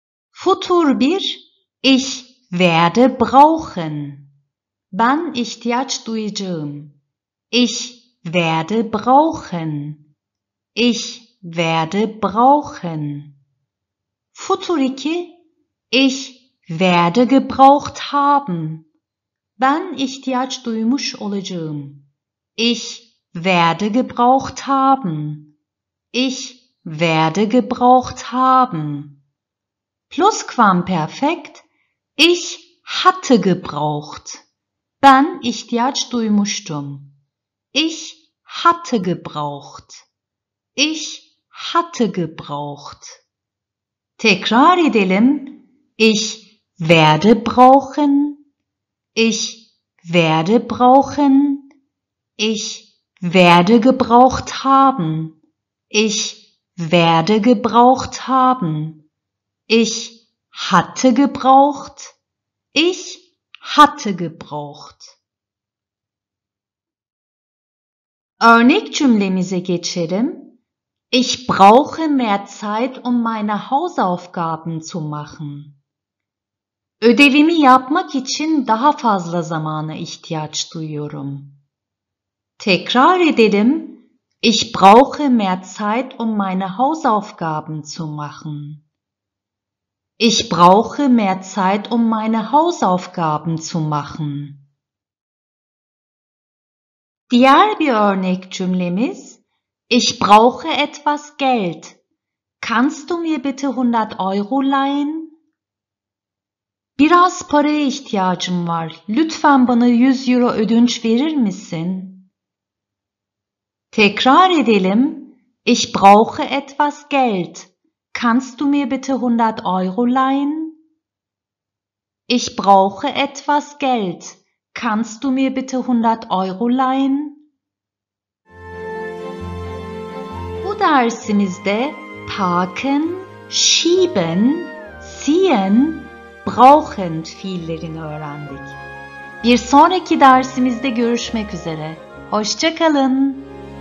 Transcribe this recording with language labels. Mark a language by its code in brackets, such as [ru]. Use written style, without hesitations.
[de] Futur bir, ich werde brauchen. [tr] Ben ihtiyaç duyacağım. [de] Ich werde brauchen. Ich werde brauchen. Futur iki, ich werde gebraucht haben. [tr] Ben ihtiyaç duymuş olacağım. [de] Ich werde gebraucht haben. Ich werde gebraucht haben. Plusquamperfekt. Ich hatte gebraucht. [tr] Ben ihtiyaç duymuştum. [de] Ich hatte gebraucht. Ich hatte gebraucht. [tr] Tekrar edelim. [de] Ich werde brauchen. Ich werde brauchen. Ich werde gebraucht haben. Ich werde gebraucht haben. Ich hatte gebraucht. Ich hatte gebraucht. [tr] Örnek cümlemize geçelim. [de] Ich brauche mehr Zeit, um meine Hausaufgaben zu machen. [tr] Ödevimi yapmak için daha fazla zamana ihtiyaç duyuyorum. Tekrar edelim. [de] Ich brauche mehr Zeit, um meine Hausaufgaben zu machen. Ich brauche mehr Zeit, um meine Hausaufgaben zu machen. [tr] Diğer bir örnek cümlemiz. [de] Ich brauche etwas Geld. Kannst du mir bitte 100 Euro leihen? [tr] Biraz paraya ihtiyacım var. Lütfen bana 100 Euro ödünç verir misin? Tekrar edelim. [de] Ich brauche etwas Geld. Kannst du mir bitte 100 Euro leihen? Ich brauche etwas Geld. Kannst du mir bitte 100 Euro leihen? [tr] Bu dersimizde parken, schieben, ziehen, brauchen fiillerini öğrendik. Bir sonraki dersimizde görüşmek üzere. Hoşça kalın.